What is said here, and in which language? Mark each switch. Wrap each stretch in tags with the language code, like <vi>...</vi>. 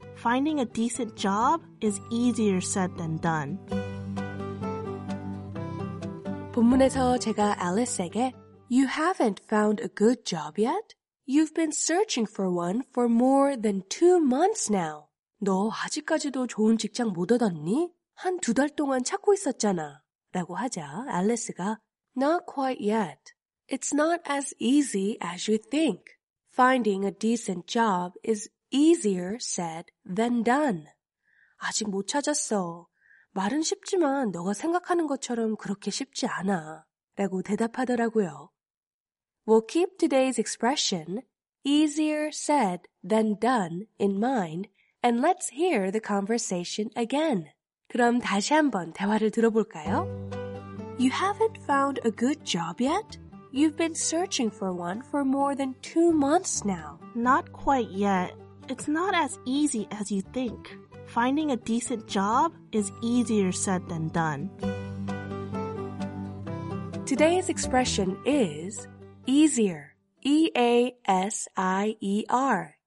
<en>Finding a decent job is easier said than done.</en> <ko>본문에서 제가 Alice에게</ko> <en>You haven't found a good job yet? You've been searching for one for more than 2 months now.</en> <ko>너 아직까지도 좋은 직장 못 얻었니? 한 두 달 동안 찾고 있었잖아. 라고 하자 Alice가</ko> <en>Not quite yet. It's not as easy as you think. Finding a decent job is easier said than done.</en> <ko>아직 못 찾았어. 말은 쉽지만 너가 생각하는 것처럼 그렇게 쉽지 않아. 라고 대답하더라고요.</ko> <en>We'll keep today's expression, easier said than done, in mind, and let's hear the conversation again.</en> <ko>그럼 다시 한번 대화를 들어볼까요?</ko> <en>You haven't found a good job yet? You've been searching for one for more than 2 months now. Not quite yet. It's not as easy as you think. Finding a decent job is easier said than done. Today's expression is easier. E-A-S-I-E-R.</en>